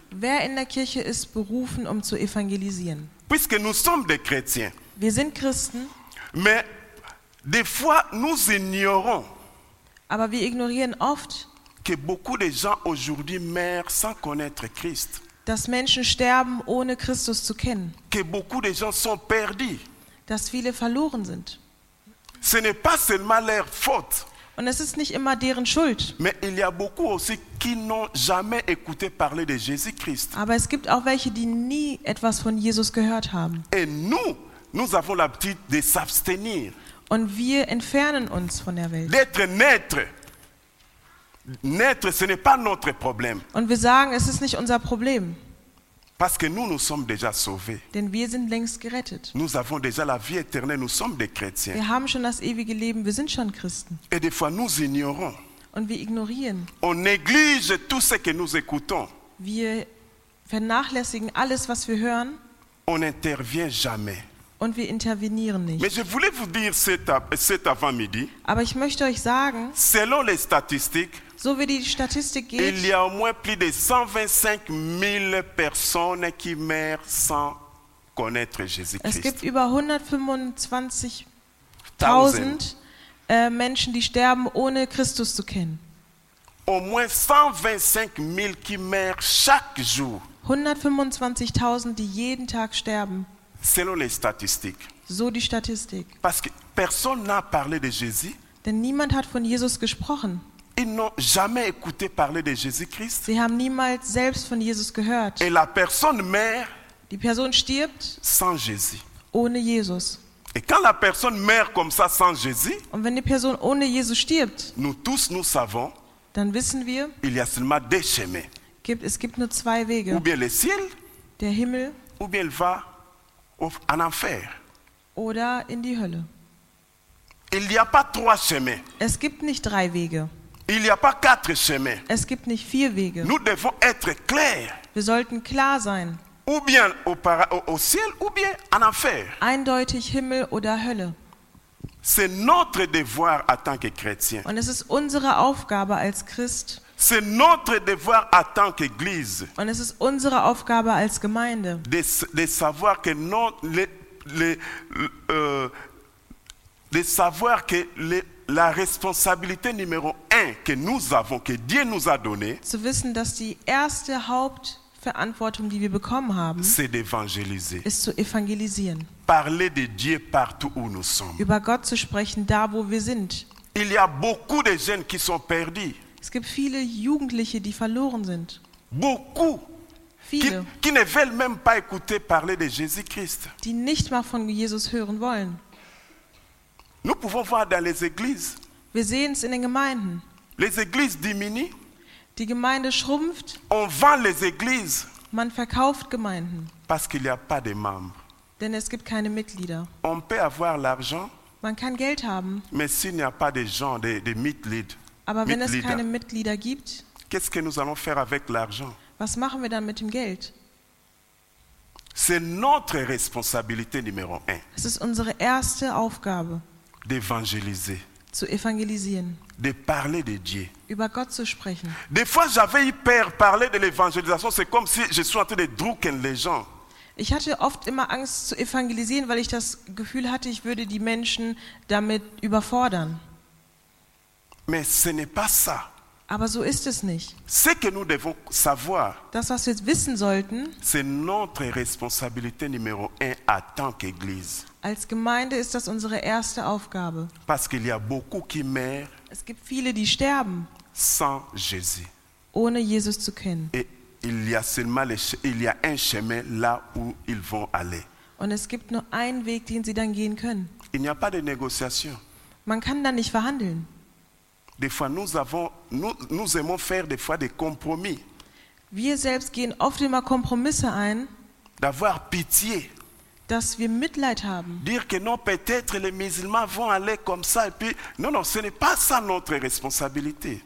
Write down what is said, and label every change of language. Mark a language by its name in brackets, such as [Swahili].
[German] Wer in der Kirche ist berufen, um zu evangelisieren? [French] Puisque nous sommes des chrétiens. [German] Wir sind Christen. [French] Mais des fois nous ignorons. [German] Aber wir ignorieren oft, [French] que beaucoup de gens aujourd'hui meurent sans connaître Christ. [German] Dass Menschen sterben, ohne Christus zu kennen. [French] Que beaucoup de gens sont perdus. [German] Dass viele verloren sind. [French] Ce n'est pas seulement leur faute. [German] Und es ist nicht immer deren Schuld. [French] Mais il y a beaucoup aussi qui n'ont jamais écouté parler de Jésus-Christ. [German] Aber es gibt auch welche, die nie etwas von Jesus gehört haben. [French] Et nous avons l'habitude de s'abstenir. [German] Und wir entfernen uns von der Welt. [French] D'être neutre. Neutre, ce n'est pas notre problème. [German] Und wir sagen, es ist nicht unser Problem. [French] Parce que nous sommes déjà sauvés. [German] Denn wir sind längst gerettet. [French] Nous avons déjà la vie éternelle, nous sommes des chrétiens. [German] Wir haben schon das ewige Leben, wir sind schon Christen. [French] Et des fois nous ignorons. [German] Und wir ignorieren. [French] On néglige tout ce que nous écoutons. [German] Wir vernachlässigen alles, was wir hören. [French] On n'intervient jamais. [German] Und wir intervenieren nicht. [French] Mais je voulais vous dire cet avant-midi. [German] Aber ich möchte euch sagen, [French] selon les statistiques, [German] so wie die Statistik geht, [French] il y a au moins plus de 125 000 personnes qui meurent sans connaître Jésus-Christ. [German] Es gibt über 125.000 Menschen, die sterben, ohne Christus zu kennen. [French] Au moins 125 000 qui meurent chaque jour. [German] 125.000, die jeden Tag sterben. [French] Selon les statistiques. [German] So die Statistik. [French] Parce que personne n'a parlé de Jésus. [German] Denn niemand hat von Jesus gesprochen. [French] Ils n'ont jamais écouté parler de Jésus-Christ. [German] Sie haben niemals selbst von Jesus gehört. [French] Et la personne meurt. [German] Die Person stirbt. [French] Sans Jésus. [German] Ohne Jesus. [French] Et quand la personne meurt comme ça sans Jésus. [German] Und wenn die Person ohne Jesus stirbt. [French] Nous tous nous savons. [German] Dann wissen wir. [French] Il y a seulement deux chemins. [German] Es gibt nur zwei Wege. [French] Ou bien le ciel. [German] Der Himmel. [French] Ou bien le va. En enfer. [German] Oder in die Hölle. [French] Il y a pas trois chemins. [German] Es gibt nicht drei Wege. [French] Il y a pas quatre chemins. [German] Es gibt nicht vier Wege. [French] Nous devons être clair. [German] Wir sollten klar sein. [French] Ou bien au ciel, ou bien en enfer. [German] Eindeutig Himmel oder Hölle. [French] C'est notre devoir en tant que chrétien. [German] Und es ist unsere Aufgabe als Christ. [French] C'est notre devoir en tant qu'église. [German] Und es ist unsere Aufgabe als Gemeinde. [French] De savoir que la responsabilité numéro 1 que nous avons, que Dieu nous a donné, [German] zu wissen, dass die erste Hauptverantwortung, die wir bekommen haben, [French] c'est d'évangéliser. [German] Ist zu evangelisieren. [French] Parler de Dieu partout où nous sommes. [German] Über Gott zu sprechen, da wo wir sind. [French] Il y a beaucoup de jeunes qui sont perdus. [German] Es gibt viele Jugendliche, die verloren sind. [French] Beaucoup. [German] Viele. [French] Qui ne veulent même pas écouter parler de Jésus-Christ. [German] Die nicht mal von Jesus hören wollen. [French] Nous pouvons voir dans les églises. [German] Wir sehen es in den Gemeinden. [French] Les églises diminuent. [German] Die Gemeinde schrumpft. [French] On vend les églises. [German] Man verkauft Gemeinden. [French] Parce qu'il y a pas de membres. [German] Denn es gibt keine Mitglieder. [French] On peut avoir l'argent. [German] Man kann Geld haben. [French] Mais s'il n'y a pas de gens, de Mitglieder. [German] Aber wenn es keine Mitglieder gibt, [French] Qu'est-ce que nous allons faire avec l'argent? [German] Was machen wir dann mit dem Geld? [French] C'est notre responsabilité numéro un. [German] Es ist unsere erste Aufgabe. [French] D'évangéliser. [German] Zu evangelisieren. [French] De parler de Dieu. [German] Über Gott zu sprechen. [French] Des fois, j'avais eu peur parler de l'évangélisation. C'est comme si je suis en train de drucken les gens. [German] Ich hatte oft immer Angst zu evangelisieren, weil ich das Gefühl hatte, ich würde die Menschen damit überfordern. [French] Mais ce n'est pas ça. [German] Aber so ist es nicht. [French] Ce que nous devons savoir, [German] das, was wir wissen sollten, [French] c'est notre responsabilité numéro un en tant qu'Église. [German] Als Gemeinde ist das unsere erste Aufgabe. [French] Parce qu'il y a beaucoup qui meurent, [German] es gibt viele, die sterben, [French] sans Jésus. [German] Ohne Jesus zu kennen. [French] Et il y a seulement les, il y a un chemin là où ils vont aller. [German] Und es gibt nur einen Weg, den sie dann gehen können. [French] Il n'y a pas de négociation. [German] Man kann da nicht verhandeln. [French] Des fois nous avons, nous aimons faire des fois des compromis. [German] Wir selbst gehen oft immer Kompromisse ein. [French] D'avoir pitié. [German] Dass wir Mitleid haben. [French] Dire que non, peut-être les musulmans vont aller comme ça et puis non, non, ce n'est pas ça notre responsabilité.